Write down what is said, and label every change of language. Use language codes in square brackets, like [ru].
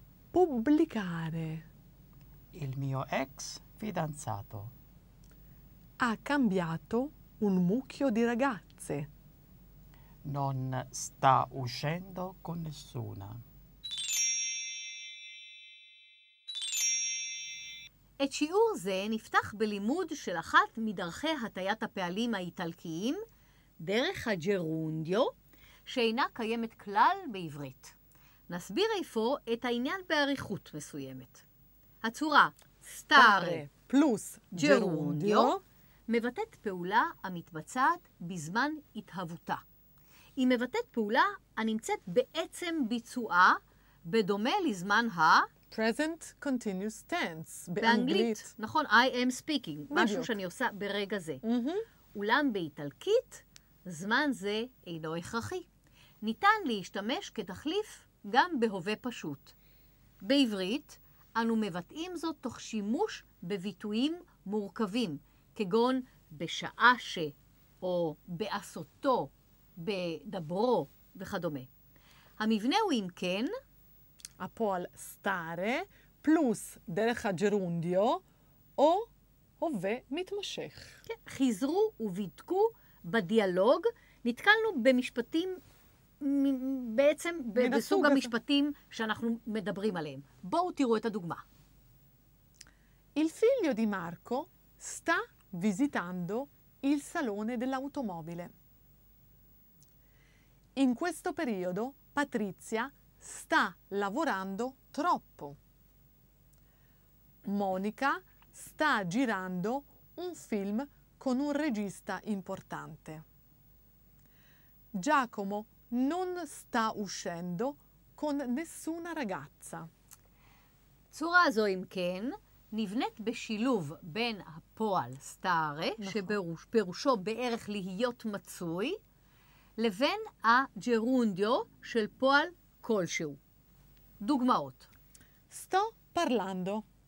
[it] Pubblicare. Il mio ex fidanzato. Ha cambiato un mucchio di ragazze. Non sta uscendo con nessuna. [he] את שיעור זה נפתח בלימוד של אחת מדרכי הטיית הפעלים האיטלקיים, דרך הג'רונדיו, שאינה קיימת כלל בעברית. נסביר איפה את העניין בעריכות מסוימת. הצורה סטארה פלוס ג'רונדיו מבטאת פעולה המתבצעת בזמן התהוותה. היא מבטאת פעולה הנמצאת בעצם ביצועה, בדומה לזמן ה... [en] Present continuous tense, [he] באנגלית. נכון, [en] I am speaking, [he] בדיוק. משהו שאני עושה ברגע זה. אולם באיטלקית, זמן זה אינו הכרחי. ניתן להשתמש כתחליף גם בהווה פשוט. בעברית, אנו מבטאים זאת תוך שימוש בביטויים מורכבים, כגון בשעה ש, או בעשותו, בדברו וכדומה. המבנה הוא אם כן... הפועל סטארה פלוס דרך הג'רונדיו או הווה מתמשך. כן, חזרו ובדקו בדיאלוג, נתקלנו במשפטים, בעצם בסוג המשפטים שאנחנו מדברים עליהם. בואו תראו את הדוגמה. [it] Il figlio di Marco sta visitando il salone dell'automobile. In questo periodo Patrizia sta lavorando troppo. Monica sta girando un film con un regista importante. Giacomo non sta uscendo con nessuna ragazza. [he] צורה זו אם כן נבנית בשילוב בין הפועל סטארה, שפירושו בערך להיות מצוי, לבין הג'רונדיו של פועל כלשהו. דוגמאות. [it] Sto parlando.